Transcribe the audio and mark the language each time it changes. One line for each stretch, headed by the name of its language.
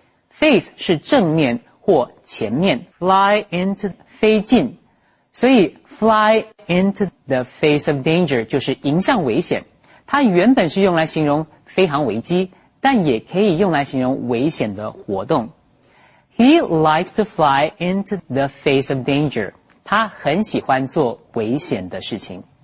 Chinese: Face 是正面或前面 ,fly into 飞进。所以
English: fly into the face of danger
Chinese: 就是迎向危险。它原本是用来形容飞行危机，但也可以用来形容危险的活动。
English: He likes to fly into the face of danger.
Chinese: 他很喜欢做危险的事情。